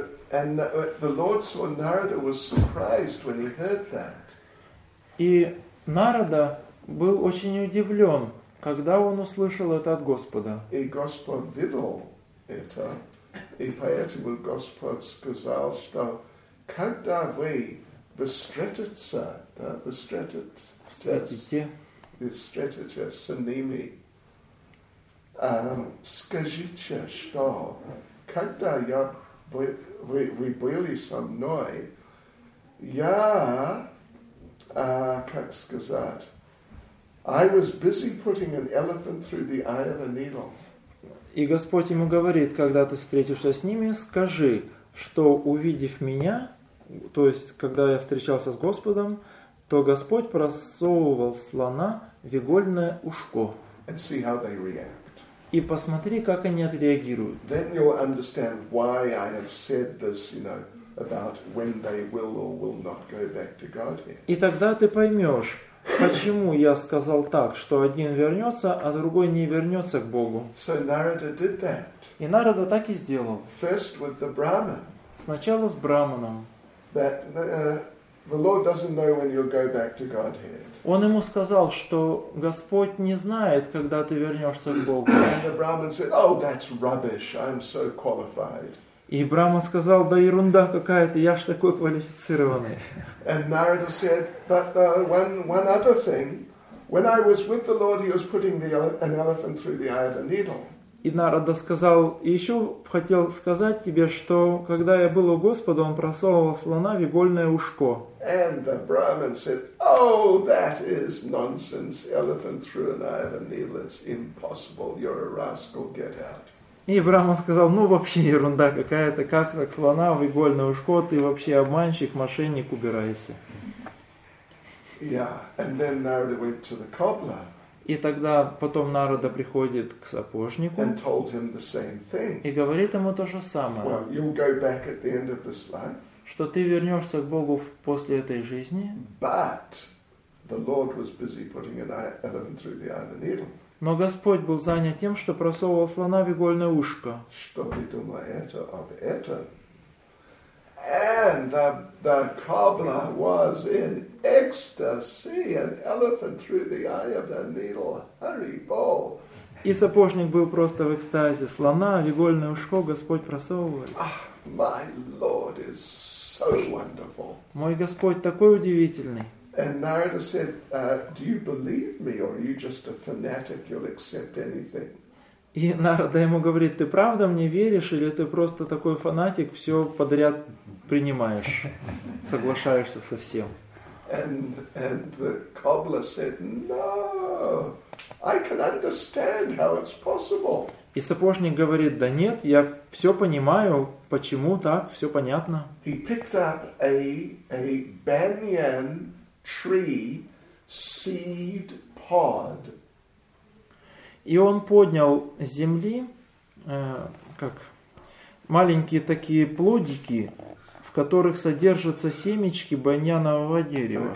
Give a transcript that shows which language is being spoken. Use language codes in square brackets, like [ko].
[en] And the Lord saw Narada was surprised when he heard that. [ru] И Нарада был очень удивлен, когда он услышал это от Господа. И Господь видел это, и поэтому Господь сказал, что когда вы встретитесь, да, встретитесь с ними, скажите, что когда вы были со мной, я, как сказать, [en] I was busy putting an elephant through the eye of a needle. [ru] И Господь ему говорит, когда ты встретишься с ними, скажи, что увидев меня, то есть когда я встречался с Господом, то Господь просовывал слона в игольное ушко. [en] And see how they react. [ru] И посмотри, как они отреагируют. [en] Then you'll understand why I have said this, you know, about when they will or will not go back to Godhead. [ru] И тогда ты поймешь, почему я сказал так, что один вернется, а другой не вернется к Богу. [en] So Narada did that. [ru] И Нарада так и сделал. [en] First with the Brahman. [ru] Сначала с Браманом. [en] That the Lord doesn't know when you'll go back to Godhead. [ru] Он ему сказал, что Господь не знает, когда ты вернешься к Богу. [en] And the Brahman said, oh, that's rubbish, I'm so qualified. [ru] И Браман сказал, да ерунда какая-то, я ж такой квалифицированный. [en] And Narada said, but one other thing, when I was with the Lord, he was putting an elephant through the eye of a needle. [ru] И Нарада сказал, и еще хотел сказать тебе, что когда я был у Господа, он просовывал слона в игольное ушко. [en] And the Brahman said, oh, that is nonsense, elephant through an eye of a needle, it's impossible, you're a rascal, get out. [ru] И Браман сказал, ну вообще ерунда какая-то, как так слона в игольное ушко, ты вообще обманщик, мошенник, убирайся. [en] Yeah. And then Narada went to the cobbler. [ru] И тогда потом Нарада приходит к сапожнику [en] and told him the same thing. [ru] И говорит ему то же самое. [en] Well, you'll go back at the end of this life. [ru] Что ты вернешься к Богу после этой жизни. [en] But the Lord was busy putting an elephant through the eye of a needle. [ru] Но Господь был занят тем, что просовывал слона в игольное ушко. Что ты думаешь это об этом? [en] And the cobbler was in ecstasy, an elephant through the eye of a needle, hurry ball. [ru] И сапожник был просто в экстазе. Слона в игольное ушко Господь просовывает. [en] Ah, my Lord is so wonderful. [ru] Мой Господь такой удивительный. [en] And Narada said, do you believe me or are you just a fanatic, you'll accept anything? [ru] И Нарада ему говорит, ты правда мне веришь или ты просто такой фанатик, все подряд принимаешь, соглашаешься со всем? [en] And the cobbler said, no, I can understand how it's possible. [ru] И сапожник говорит, да нет, я все понимаю, почему так, все понятно. [en] He picked up a banyan tree seed pod. [ru] И он поднял с земли как маленькие такие плодики, в которых содержатся семечки баньянового дерева.